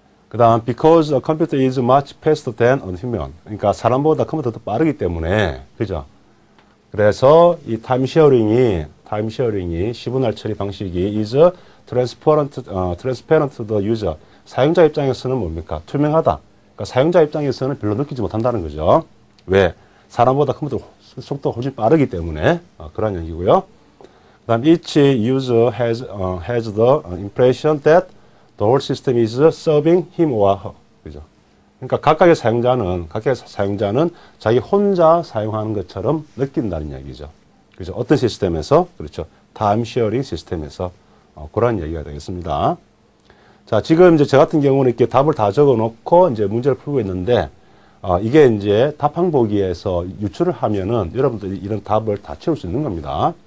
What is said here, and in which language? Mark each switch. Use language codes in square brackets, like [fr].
[ko] 그다음 [en] because a computer is much faster than a human. [ko] 그러니까 사람보다 컴퓨터도 빠르기 때문에 그죠? 그래서 이 타임 쉐어링이 시분할 처리 방식이 [en] is transparent to the user. [ko] 사용자 입장에서는 뭡니까? 투명하다. 그러니까 사용자 입장에서는 별로 느끼지 못한다는 거죠. 왜? 사람보다 컴퓨터 속도가 훨씬 빠르기 때문에 그런 얘기고요. 그 다음, [en] each user has the impression that the whole system is serving him or her. [ko] 그죠? 그러니까 각각의 사용자는 자기 혼자 사용하는 것처럼 느낀다는 얘기죠. 그죠? 어떤 시스템에서? 그렇죠. 타임쉐어링 시스템에서. 그런 얘기가 되겠습니다. 자, 지금 이제 저 같은 경우는 이렇게 답을 다 적어 놓고 이제 문제를 풀고 있는데, 이게 이제 답항 보기에서 유출을 하면은 여러분들이 이런 답을 다 채울 수 있는 겁니다.